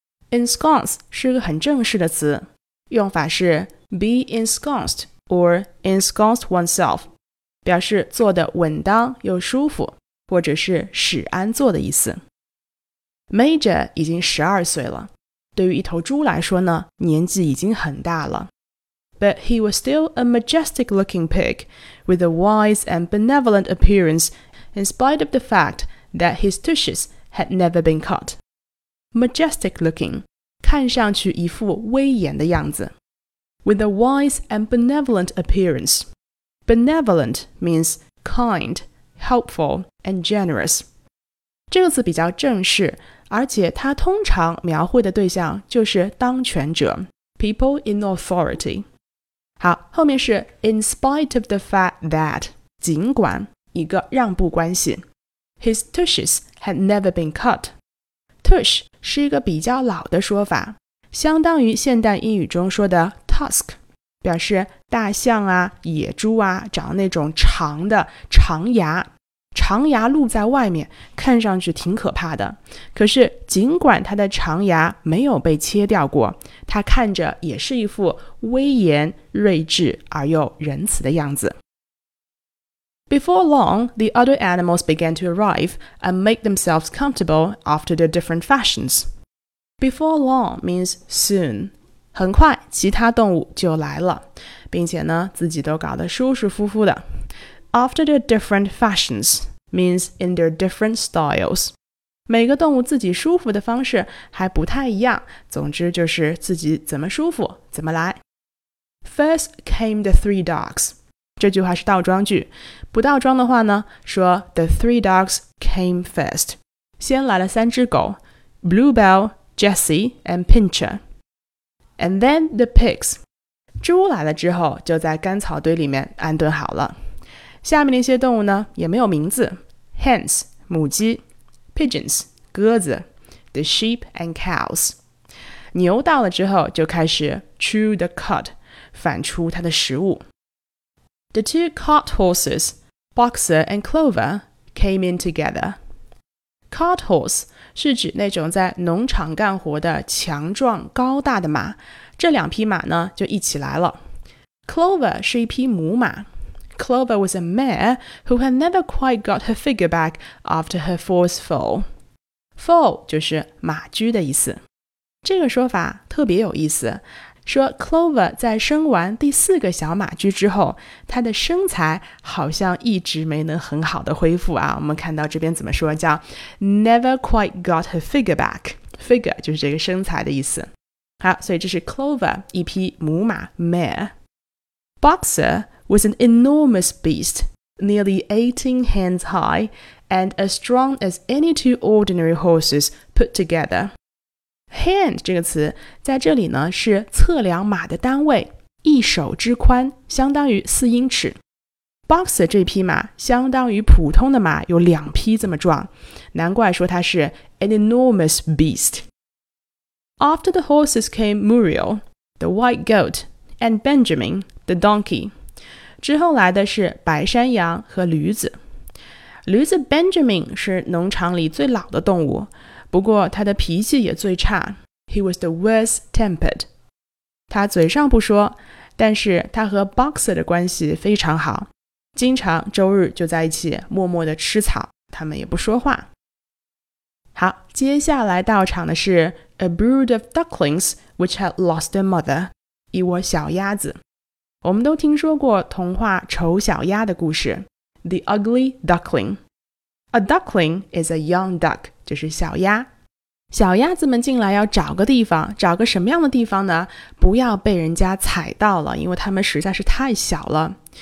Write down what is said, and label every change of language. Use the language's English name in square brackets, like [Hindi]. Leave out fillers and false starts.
[Chinese] Ensconce 是个很正式的词，用法是 [English] be ensconced or ensconced oneself, [Chinese] 表示坐得稳当又舒服，或者是使安坐的意思。 Major 已经12岁了，对于一头猪来说呢，年纪已经很大了。 [English] But he was still a majestic looking pig, with a wise and benevolent appearance, in spite of the factthat his tushes had never been cut. [Chinese] Majestic looking, 看上去一副威严的样子。 [English] With a wise and benevolent appearance. Benevolent means kind, helpful, and generous. [Chinese] 这个词比较正式，而且它通常描绘的对象就是当权者， [English] people in authority. [Chinese] 好，后面是 [English] in spite of the fact that, [Chinese] 尽管一个让步关系。 [English] His tushes had never been cut. [Chinese] Tush 是一个比较老的说法，相当于现代英语中说的 tusk, 表示大象啊、野猪啊长那种长的长牙，长牙露在外面，看上去挺可怕的。可是尽管它的长牙没有被切掉过，它看着也是一副威严、睿智而又仁慈的样子。 [English] Before long, the other animals began to arrive and make themselves comfortable after their different fashions. Before long means soon. [Chinese] 很快其他动物就来了，并且呢自己都搞得舒舒服服的。 [English] After their different fashions means in their different styles. [Chinese] 每个动物自己舒服的方式还不太一样，总之就是自己怎么舒服怎么来。 [English] First came the three dogs. [Chinese] 这句话是倒装句，不倒装的话呢，说 [English] The three dogs came first. [Chinese] 先来了三只狗 Bluebell, Jessie, and Pincher. [English] And then the pigs. [Chinese] 猪来了之后，就在干草堆里面安顿好了。下面那些动物呢也没有名字 Hens 母鸡 Pigeons 鸽子 The sheep and cows 牛到了之后就开始 [English] chew the cud [Chinese] 反刍它的食物 [English] The two cart horses Boxer and Clover came in together Cart horse [Chinese] 是指那种在农场干活的强壮高大的马这两匹马呢就一起来了 [English] Clover [Chinese] 是一匹母马 [English] Clover was a mare who had never quite got her figure back after her fourth foal. [Chinese] Foal 就是马驹的意思。这个说法特别有意思，说 Clover 在生完第四个小马驹之后，她的身材好像一直没能很好的恢复啊。我们看到这边怎么说，叫 [English] never quite got her figure back. [Chinese] Figure 就是这个身材的意思。好，所以这是 Clover 一匹母马 mare. [English] Boxer. Was an enormous beast, nearly 18 hands high, and as strong as any two ordinary horses put together. [Chinese] Hand 这个词在这里呢是测量马的单位，一手之宽相当于四英尺。 Boxer 这匹马相当于普通的马有两匹这么壮，难怪说它是 [English] an enormous beast. After the horses came Muriel, the white goat, and Benjamin, the donkey. [Chinese] 之后来的是白山羊和驴子。驴子 Benjamin 是农场里最老的动物，不过他的脾气也最差。 [English] He was the worst tempered. [Chinese] 他嘴上不说，但是他和 Boxer 的关系非常好，经常周日就在一起默默地吃草，他们也不说话。好，接下来到场的是 [English] A brood of ducklings which had lost their mother. [Chinese] 一窝小鸭子。我们都听说过童话《丑小鸭》的故事 The Ugly Duckling [English] A duckling is a young duck [Chinese] 就是小鸭小鸭子们进来要找个地方找个什么样的地方呢不要被人家踩到了因为它们实在是太小了